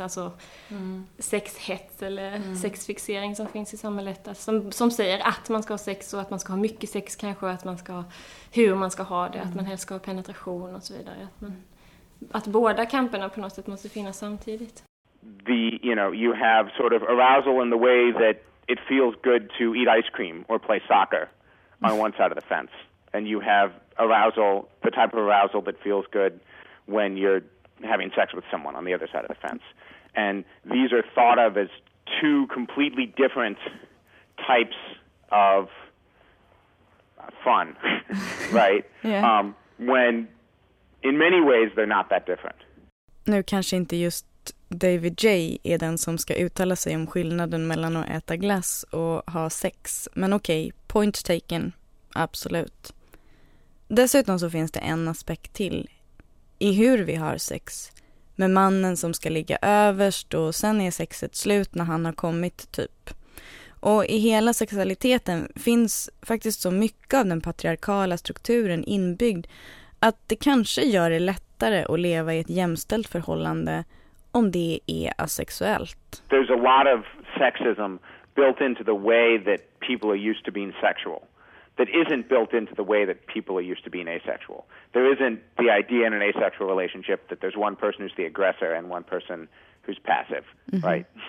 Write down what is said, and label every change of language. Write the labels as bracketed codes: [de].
[sv] Alltså sexhets eller sexfixering som finns i samhället. Som säger att man ska ha sex och att man ska ha mycket sex kanske. Och att man ska ha, hur man ska ha det. Mm. Att man helst ska ha penetration och så vidare. Att båda kamperna på något sätt måste finnas samtidigt. [en] The, you know, you have sort of arousal in the way that it feels good to eat ice cream or play soccer on one side of the fence. And you have arousal, the type of arousal that feels good when you're having sex with someone on the other side of the fence. And these are thought of as two completely different types of fun, right? Yeah. When in many ways they're not that different. [sv] Nu kanske inte just David J är den som ska uttala sig om skillnaden mellan att äta glass och ha sex. Men okej, [en] point taken. [sv] Absolut. Dessutom så finns det en aspekt till i hur vi har sex. Med mannen som ska ligga överst och sen är sexet slut när han har kommit typ. Och i hela sexualiteten finns faktiskt så mycket av den patriarkala strukturen inbyggd att det kanske gör det lättare att leva i ett jämställt förhållande om det är asexuellt. [en] There's a lot of sexism built into the way that people are used to being sexual. That isn't built into the way that people are used to being asexual. There isn't the idea in an asexual relationship that there's one person who's the aggressor and one person who's passive, mm-hmm. right?